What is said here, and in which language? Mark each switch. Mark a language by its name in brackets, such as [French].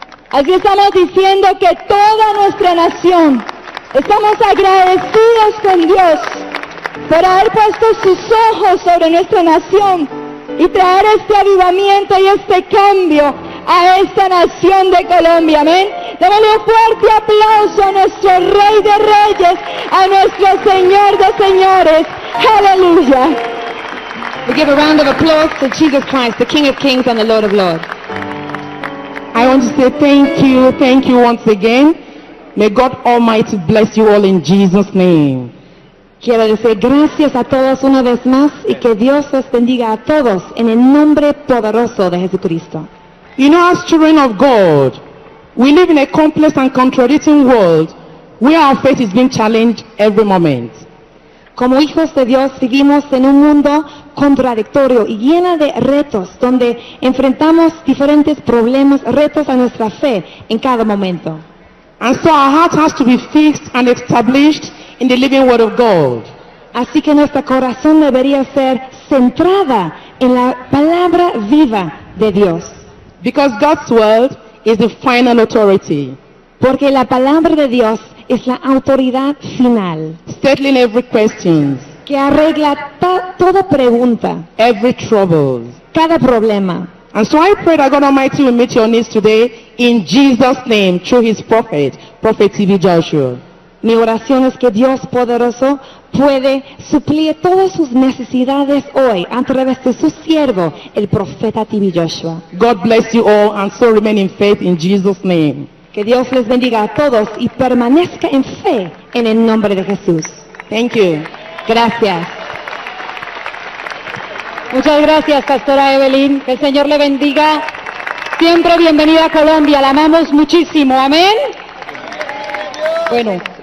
[Spanish] Así estamos diciendo que toda nuestra nación estamos agradecidos con Dios por haber puesto sus ojos sobre nuestra nación y traer este avivamiento y este cambio a esta nación de Colombia. Amén. Démosle un fuerte aplauso a nuestro Rey de Reyes, a nuestro Señor de Señores. Aleluya. [English] We give a round of applause to Jesus Christ, the King of Kings and the Lord of Lords. I want to say thank you once again. May God Almighty bless you all in Jesus' name. [Spanish] Quiero decir gracias a todos una vez más y que Dios los bendiga a todos en el nombre poderoso de Jesucristo. [English] You know, as children of God, we live in a complex and contradicting world where our faith is being challenged every moment. [Spanish] Como hijos de Dios, vivimos en un mundo contradictorio y lleno de retos, donde enfrentamos diferentes problemas, retos a nuestra fe en cada momento. [English] And so our heart has to be fixed and established in the living word of God. [Spanish] Así que nuestro corazón debería ser centrada en la palabra viva de Dios. [English] Because God's word is the final authority. [Spanish] Porque la palabra de Dios es la autoridad final. [English] Settling every question. [Spanish] Que arregla toda pregunta. [English] Every trouble. [Spanish] Cada problema. [English] And so I pray that God Almighty will meet your needs today in Jesus' name through His prophet, Prophet TV Joshua. [Spanish] Mi oración es que Dios poderoso puede suplir todas sus necesidades hoy a través de su siervo, el profeta TV Joshua. [English] God bless you all and so remain in faith in Jesus' name. [Spanish] Que Dios les bendiga a todos y permanezca en fe en el nombre de Jesús. [English] Thank you. [Spanish] Gracias. Muchas gracias, Pastora Evelyn. Que el Señor le bendiga. Siempre bienvenida a Colombia. La amamos muchísimo. Amén. Bueno.